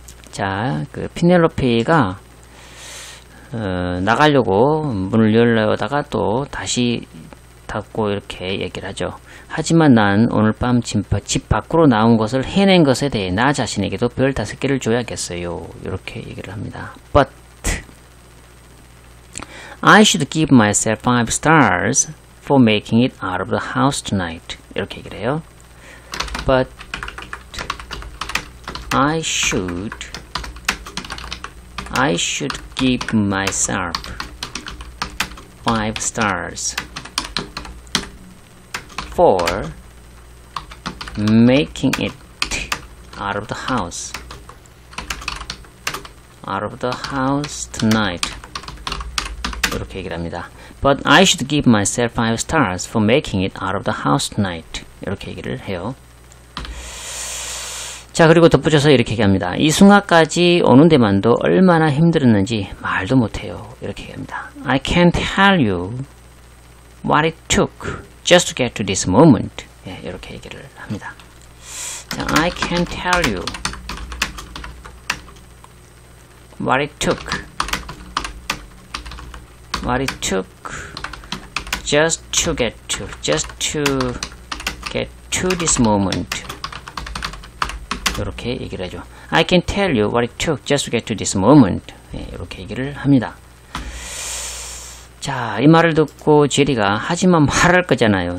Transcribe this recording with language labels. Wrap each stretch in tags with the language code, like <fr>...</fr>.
<ko>자, 그 피넬로페이가 나가려고 문을 열려다가 또 다시 닫고 이렇게 얘기를 하죠. 하지만 난 오늘 밤 집 밖으로 나온 것을 해낸 것에 대해 나 자신에게도 별 다섯 개를 줘야겠어요. 이렇게 얘기를 합니다.</ko> <en>But I should give myself 5 stars for making it out of the house tonight.</en> <ko>이렇게 얘기를 해요.</ko> <en>But I should give myself 5 stars for making it out of the house. Out of the house tonight.</en> <ko>이렇게 얘기를 합니다.</ko> <en>But I should give myself 5 stars for making it out of the house tonight.</en> <ko>이렇게 얘기를 해요. 자, 그리고 덧붙여서 이렇게 얘기합니다. 이 순간까지 오는 데만도 얼마나 힘들었는지 말도 못해요. 이렇게 얘기합니다.</ko> <en>I can't tell you what it took just to get to this moment.</en> <ko>예, 이렇게 얘기를 합니다.</ko> <en>자, I can't tell you what it took. What it took just to get to this moment.</en> <ko>이렇게 얘기를 하죠.</ko> <en>I can tell you what it took just to get to this moment.</en> <ko>예, 이렇게 얘기를 합니다. 자, 이 말을 듣고 제리가 하지만 말할 거잖아요.</ko>